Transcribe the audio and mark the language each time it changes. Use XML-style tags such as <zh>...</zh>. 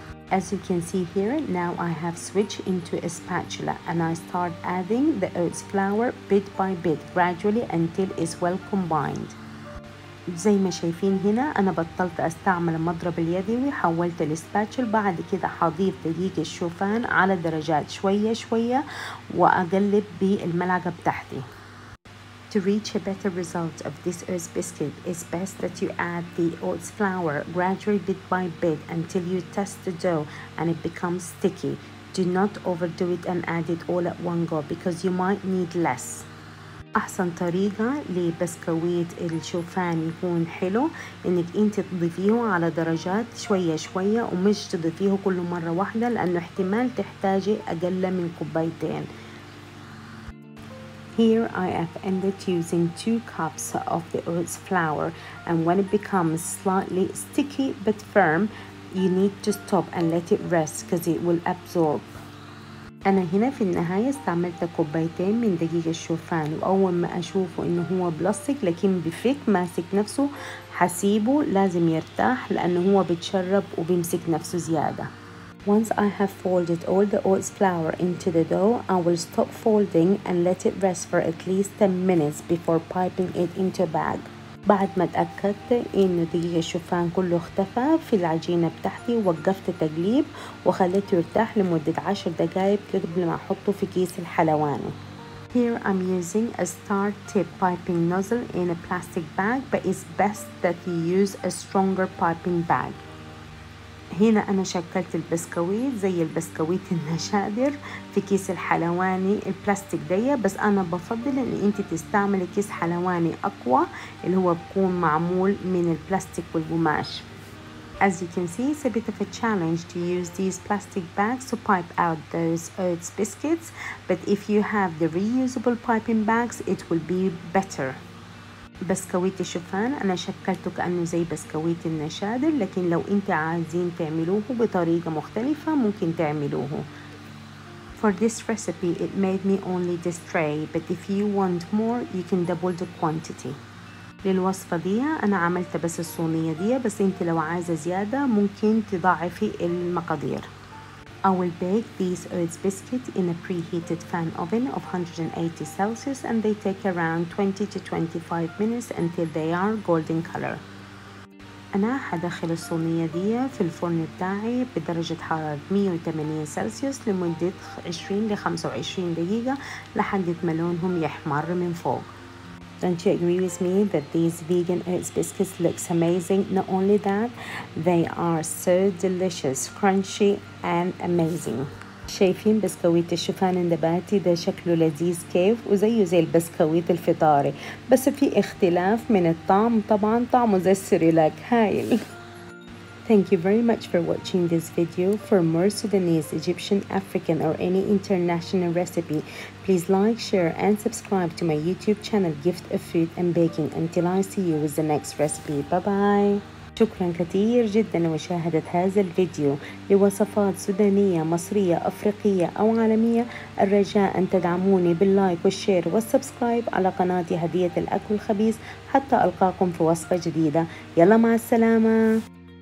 <en>As you can see here, now I have switched into a spatula and I start adding the oats flour bit by bit gradually until it's well combined.</en> <ar>زي ما شايفين هنا انا بطلت استعمل المضرب اليدوي، حولت الاسباتشل. بعد كده هضيف دقيق الشوفان على درجات شوية شوية واقلب بالملعقة بتاعتي.</ar> <en>To reach a better result of this oats biscuit, it's best that you add the oats flour gradually bit by bit until you test the dough and it becomes sticky. Do not overdo it and add it all at one go because you might need less.</en> <ar>أحسن طريقة لبسكويت الشوفان يكون حلو إنك أنت تضيفيه على درجات شوية شوية ومش تضيفيه كل مرة واحدة، لأنه احتمال تحتاجي أقل من كوبايتين.</ar> <en>Here I have ended using 2 cups of the oats flour, and when it becomes slightly sticky but firm, you need to stop and let it rest because it will absorb.</en> <ar>أنا هنا في النهاية استعملت 2 كوبايتين من دقيق الشوفان، وأول ما أشوفه إنه هو بلاستيك لكن بفك ماسك نفسه حسيبه لازم يرتاح لأنه هو بتشرب وبيمسك نفسه زيادة.</ar> <en>Once I have folded all the oats flour into the dough, I will stop folding and let it rest for at least 10 minutes before piping it into a bag.</en> <ar>بعد ما تأكدت إن دقيق الشوفان كله اختفى في العجينة بتاعتي، وقفت تقليب وخليته يرتاح لمدة 10 دقائق قبل ما أحطه في كيس الحلواني.</ar> <en>Here I'm using a star tip piping nozzle in a plastic bag, but it's best that you use a stronger piping bag.</en> <ar>هنا أنا شكلت البسكويت زي البسكويت النشادر في كيس الحلواني البلاستيك دي، بس أنا بفضل إن أنت تستعملي كيس حلواني أقوى اللي هو بكون معمول من البلاستيك والقماش.</ar> <en>As you can see, it's a bit of a challenge to use these plastic bags to pipe out those oats biscuits, but if you have the reusable piping bags, it will be better.</en> <ar>بسكويت الشوفان أنا شكلته كأنه زي بسكويت النشادر، لكن لو أنت عايزين تعملوه بطريقة مختلفة ممكن تعملوه.</ar> <en>For this recipe it made me only this tray, but if you want more you can double the quantity.</en> <ar>للوصفة دي أنا عملت بس الصومية دي، بس أنت لو عايزة زيادة ممكن تضاعفي المقادير.</ar> <en>I will bake these oats biscuits in a preheated fan oven of 180 Celsius and they take around 20 to 25 minutes until they are golden color.</en> <ar>أنا هدخل الصينية دي في الفرن بتاعي بدرجة حرارة 180 سلسيوس لمدة 20 ل 25 دقيقة لحد ما لونهم يحمر من فوق.</ar> <en>Don't you agree with me that these vegan oats biscuits look amazing? Not only that, they are so delicious, crunchy, and amazing.</en> <ar>شايفين بسكويت الشوفان النباتي ده شكله لذيذ كيف، وزيه زي البسكويت الفطاري، بس في اختلاف من الطعم طبعا، طعمه زي السيريلاك هايل.</ar> <en>Thank you very much for watching this video. For more Sudanese, Egyptian, African, or any international recipe, please like, share, and subscribe to my YouTube channel, Gift of Food and Baking. Until I see you with the next recipe. Bye-bye.</en> <ar>شكرا كثير جدا لمشاهدة هذا الفيديو. لوصفات سودانية مصرية أفريقية أو عالمية، الرجاء أن تدعموني باللايك والشير والسبسكرايب على قناتي هدية الأكل الخبيث حتى ألقاكم في وصفة جديدة. يلا مع السلامة.</ar>